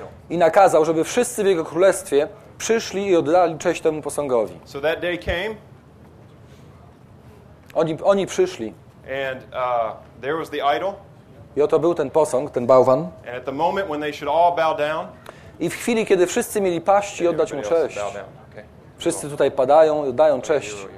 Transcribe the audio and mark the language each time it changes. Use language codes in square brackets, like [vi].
[pl] I nakazał, żeby wszyscy w jego królestwie przyszli i oddali cześć temu posągowi. [en] So that day came, [pl] oni przyszli. [en] And, there was the idol, [pl] i oto był ten posąg, ten bałwan. [en] And at the moment when they should all bow down, [pl] i w chwili, kiedy wszyscy mieli paść i oddać mu cześć. Wszyscy tutaj padają i oddają cześć.